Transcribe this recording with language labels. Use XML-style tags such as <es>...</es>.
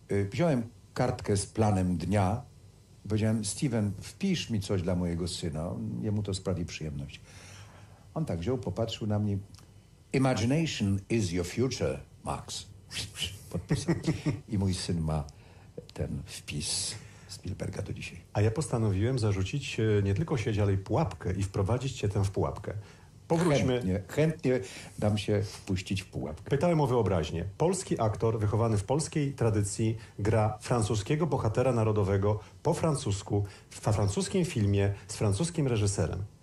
<pl>Wziąłem kartkę z planem dnia. Powiedziałem: Steven, wpisz mi coś dla mojego syna. Jemu to sprawi przyjemność. On tak wziął, popatrzył na mnie.</pl> <en>Imagination is your future, Max.</en> <pl>Podpisał. I mój syn ma ten wpis Spielberga do dzisiaj. A ja postanowiłem zarzucić nie tylko sieć, ale i pułapkę i wprowadzić cię tam w pułapkę. Powróćmy. Chętnie dam się wpuścić w pułapkę. Pytałem o wyobraźnię. Polski aktor wychowany w polskiej tradycji gra francuskiego bohatera narodowego po francusku w francuskim filmie z francuskim reżyserem.</pl>